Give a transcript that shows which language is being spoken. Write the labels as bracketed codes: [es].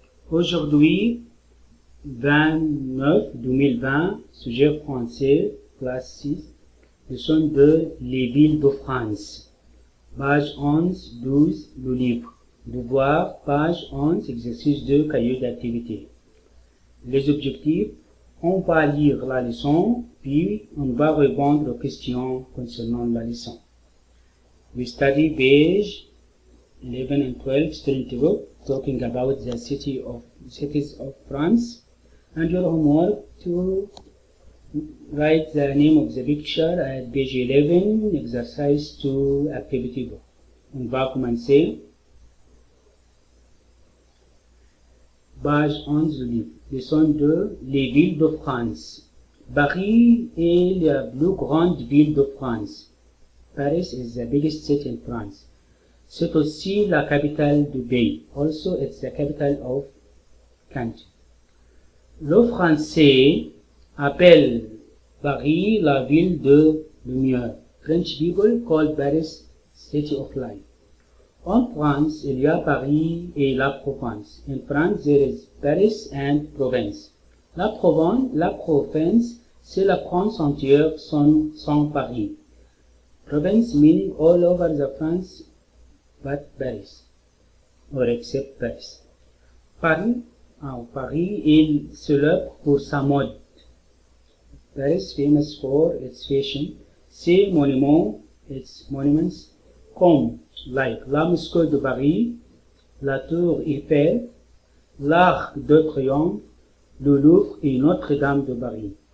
[fr] Aujourd'hui, 29 2020, sujet français, classe 6, leçon 2, les villes de France. Page 11, 12, le livre. Devoir, page 11, exercice 2, cahier d'activité. Les objectifs. On va lire la leçon, puis on va répondre aux questions concernant la leçon. [en] We study page 11 and 12, student group, talking about the cities of France. And your homework to write the name of the picture at page 11, exercise 2, activity book. [fr] On va commencer. Page 11 du livre. Leçon 2. Les villes de France. Paris est la plus grande ville de France. [en] Paris is the biggest city in France. [fr] C'est aussi la capitale du pays. [en] Also, it's the capital of country. [fr] Le français appelle Paris la ville de lumière. [en] French people call Paris city of light. [fr] En France, il y a Paris et la Provence. [en] In France, there is Paris and Provence. [fr] La Provence, c'est la France entière sans Paris. [en] Provence meaning all over the France, but Paris, or except Paris. [fr] Paris, il se lève pour sa mode. [en] Paris famous for its fashion, [fr] ses monuments, [en] its monuments, [fr] comme [en] like [fr] la mosquée de Paris, la tour Eiffel, l'arc de triomphe, le Louvre et Notre-Dame de Paris.